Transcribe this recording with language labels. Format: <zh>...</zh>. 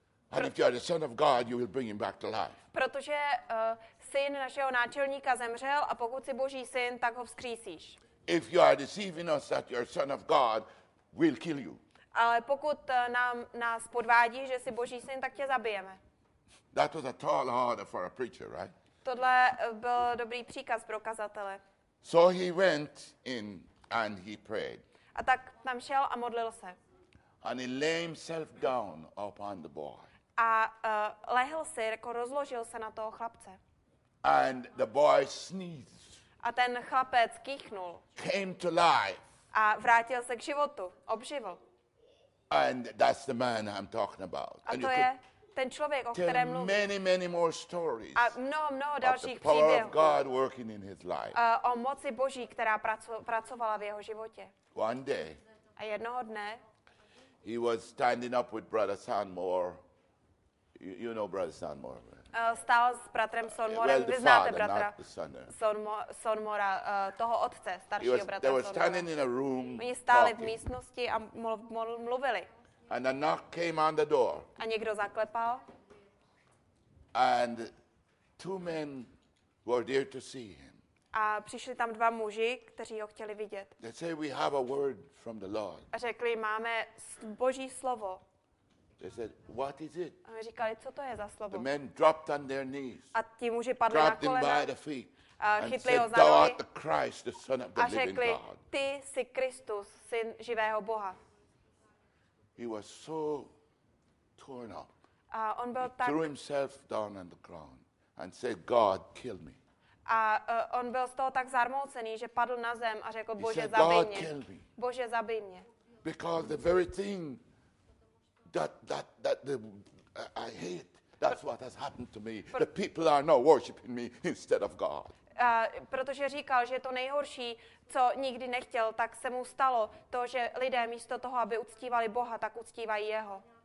<en>And if you are the son of God, you will bring him back to life.</en> <cs>Protože syn našeho náčelníka zemřel a pokud jsi Boží syn, tak ho vzkřísíš.</cs> <en>If you are deceiving us that you are son of God, we'll kill you.</en> <cs>Ale pokud nás podvádí, že jsi Boží syn, tak tě zabijeme.</cs> <en>That was a tall order for a preacher, right?</en> <cs>Tohle byl dobrý příkaz pro kazatele.</cs> <en>So he went in and he prayed.</en> <cs>A tak tam šel a modlil se.</cs> <en>And he lay himself down upon the boy.</en> <cs>A lehl si, jako rozložil se na toho chlapce.</cs> <en>And the boy sneezed.</en> <cs>A ten chlapec kýchnul.</cs> <en>Came to life.</en> <cs>A vrátil se k životu, obživl.</cs> <en>And that's the man I'm talking about.</en> <cs>A to je ten člověk, o kterém mluvím.</cs> <en>Many, many more stories.</en> <cs>A mnoho dalších příběhů.</cs> <en>Power of God working in his life.</en> <cs>O moci Boží, která pracovala v jeho životě.</cs> <en>One day.</en> <cs>A jednoho dne.</cs> <en>He was standing up with Brother Sanmore. You know Brother Sanmore.</en> <cs>Stál s bratrem Sonmorem.</cs> <en>Well,</en> <cs>vy znáte bratra Sonmora, toho otce, staršího bratra Sonmora.</cs> <en>They were standing in a room.</en> <cs>Oni stáli</cs> <en>talking.</en> <cs>V místnosti a mluvili.</cs> <en>And a knock came on the door.</en> <cs>A někdo zaklepal.</cs> <en>And two men were there to see him.</en> <cs>A přišli tam dva muži, kteří ho chtěli vidět.</cs> <en>They say we have a word from the Lord.</en> <cs>A řekli, máme Boží slovo.</cs> <en>They said, what is it?</en> <cs>A my říkali, co to je za slovo?</cs> <en>The men dropped on their knees.</en> <cs>A ti muži padli na kolena.</cs> <en>By the feet.</en> <cs>A chytli ho za nohy.</cs> <en>The Christ, the Son of the</en> <cs>a řekli,</cs> <en>living God.</en> <cs>Ty jsi Kristus, syn živého Boha.</cs> <en>He was so torn up.</en> <cs>A on byl</cs> <en>he</en> <cs>tak</cs> <en>threw himself down on the ground and said, God, kill me.</en> <cs>A on byl z toho tak zarmoucený, že padl na zem a řekl, Bože, zabij mě. Bože, zabij mě.</cs> <en>Because the very thing that the, I hate, that's what has happened to me. The people are now worshiping me instead of God.</en> <cs>Protože říkal, že to nejhorší, co nikdy nechtěl, tak se mu stalo to, že lidé místo toho, aby uctívali Boha, tak uctívají jeho.</cs>